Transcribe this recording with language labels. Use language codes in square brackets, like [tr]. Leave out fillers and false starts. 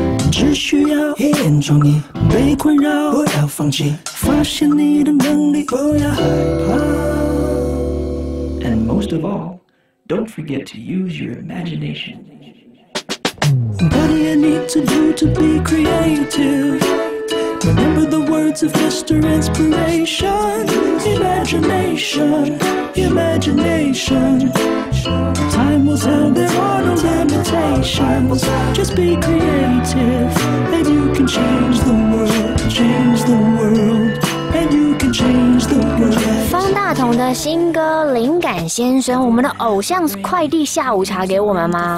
[zh] 只需要一眼注意，被困扰不要放弃，发现你的能力不要害怕。 [en] And most of all, don't forget to use your imagination. What do you need to do to be creative? Remember the words of Mr. Inspiration. Imagination, imagination. Time will tell there are no limitations. Just be creative, and you can change the world. Change the world, and you can change the world. [zh] 大同的新歌《灵感先生》，我们的偶像快递下午茶给我们吗？